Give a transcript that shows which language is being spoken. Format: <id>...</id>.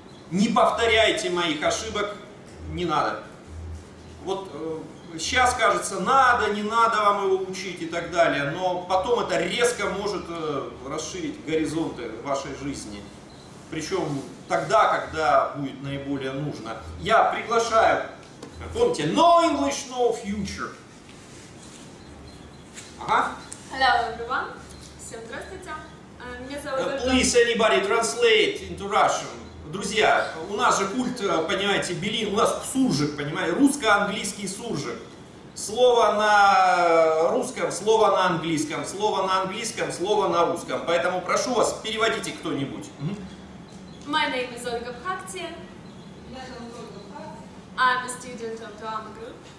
<ru>Не повторяйте моих ошибок, не надо. Вот... сейчас кажется, надо, не надо вам его учить и так далее, но потом это резко может расширить горизонты вашей жизни. Причем тогда, когда будет наиболее нужно. Я приглашаю, помните,</ru> <en>no English, no future.</en> <ru>Ага.</ru> <en>Hello everyone.</en> <ru>Всем здравствуйте. Меня зовут...</ru> <en>Please anybody translate into Russian.</en> <ru>Друзья, у нас же культ, понимаете, билинг, у нас суржик, понимаете, русско-английский суржик. Слово на русском, слово на английском, слово на английском, слово на русском. Поэтому прошу вас, переводите кто-нибудь.</ru> <en>My name is Olga Bhakti.</en> <ru>Я зовут Ольга Бхакти.</ru> <en>I'm a student of drama group.</en>